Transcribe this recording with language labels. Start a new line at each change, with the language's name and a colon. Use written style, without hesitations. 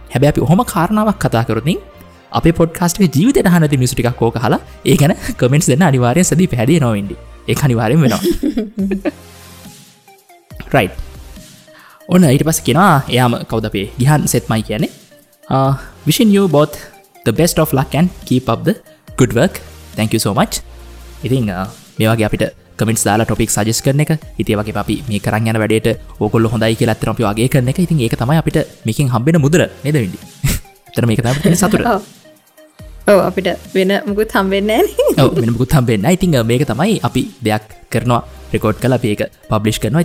Sinhala: හැබැයි අපි ඔහොම කාරණාවක් කතා කරුනින් අපේ පොඩ්කාස්ට් එකේ ජීවිතයට අහන දේ මිනිස්සු ටිකක් ඕක අහලා ඒ ගැන කමෙන්ට්ස් දෙන්න අනිවාර්යෙන් සදී පැහැදිලිවම වෙන්නේ. ඒක අනිවාර්යෙන් වෙනවා. රයිට්. ඔන්න ඊට පස්සේ කියනවා එයාම කවුද අපේ ගිහන් සෙත්මයි කියන්නේ.
English: Wishing you both the best of luck and keep up the good work. Thank you so much.
Sinhala: ඉතින් මේ වගේ අපිට කමෙන්ට්ස් දාලා ටොපික් සජෙස් කරන එක, ඉතින් වගේ අපි මේ කරන් යන වැඩේට ඕගොල්ලෝ හොඳයි කියලා අත්‍තර අපි වගේ කරන එක. ඉතින් ඒක තමයි අපිට මේකෙන් හම්බෙන මුදල නේද වෙන්නේ. අත්‍තර මේක තමයි අපේ සතුට. ඔව් අපිට වෙන මොකුත් හම්බෙන්නේ නැහැ. ඔව් වෙන මොකුත් හම්බෙන්නේ නැහැ. ඉතින් මේක තමයි අපි දෙයක් කරනවා, රෙකෝඩ් කරලා අපි ඒක පබ්ලිෂ් කරනවා.